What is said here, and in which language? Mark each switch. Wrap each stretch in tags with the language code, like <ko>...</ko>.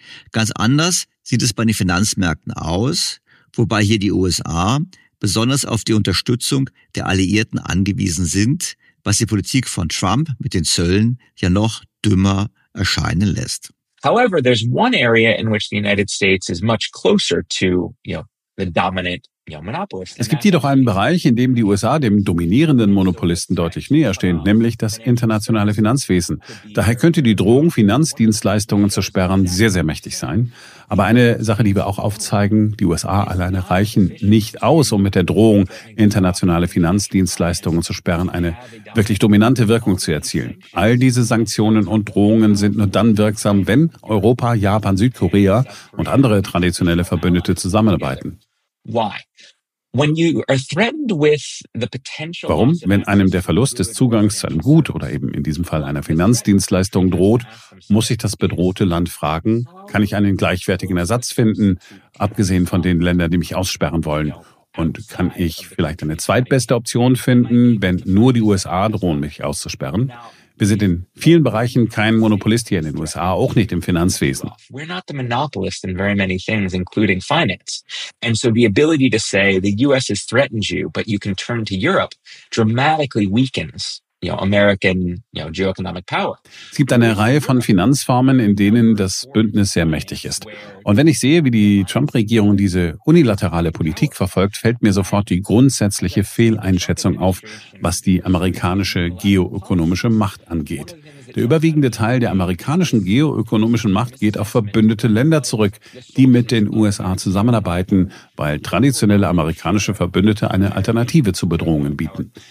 <de>Ganz anders sieht es bei den Finanzmärkten aus, wobei hier die USA besonders auf die Unterstützung der Alliierten angewiesen sind, was die Politik von Trump mit den Zöllen ja noch dümmer erscheinen lässt.</de> <en>However, there's one area in which the United States is much closer to, you know, the dominant.</en> <de>Es gibt jedoch einen Bereich, in dem die USA dem dominierenden Monopolisten deutlich näher stehen, nämlich das internationale Finanzwesen. Daher könnte die Drohung, Finanzdienstleistungen zu sperren, sehr, sehr mächtig sein. Aber eine Sache, die wir auch aufzeigen, die USA alleine reichen nicht aus, um mit der Drohung, internationale Finanzdienstleistungen zu sperren, eine wirklich dominante Wirkung zu erzielen. All diese Sanktionen und Drohungen sind nur dann wirksam, wenn Europa, Japan, Südkorea und andere traditionelle Verbündete zusammenarbeiten. Warum? Wenn einem der Verlust des Zugangs zu einem Gut oder eben in diesem Fall einer Finanzdienstleistung droht, muss sich das bedrohte Land fragen, kann ich einen gleichwertigen Ersatz finden, abgesehen von den Ländern, die mich aussperren wollen? Und kann ich vielleicht eine zweitbeste Option finden, wenn nur die USA drohen, mich auszusperren? Wir sind in vielen Bereichen kein Monopolist hier in den USA, auch nicht im Finanzwesen.</de> <en>We're not the monopolist in very many things, including finance. And so the ability to say the US has threatened you, but you can turn to Europe, dramatically weakens, you know, American, you know, geoeconomic power.</en> <de>Es gibt eine Reihe von Finanzformen, in denen das Bündnis sehr mächtig ist. Und wenn ich sehe, wie die Trump-Regierung diese unilaterale Politik verfolgt, fällt mir sofort die grundsätzliche Fehleinschätzung auf, was die amerikanische geoökonomische Macht angeht. Der überwiegende Teil der amerikanischen geoökonomischen Macht geht auf verbündete Länder zurück, die mit den USA zusammenarbeiten, weil traditionelle amerikanische Verbündete eine Alternative zu Bedrohungen bieten.</de>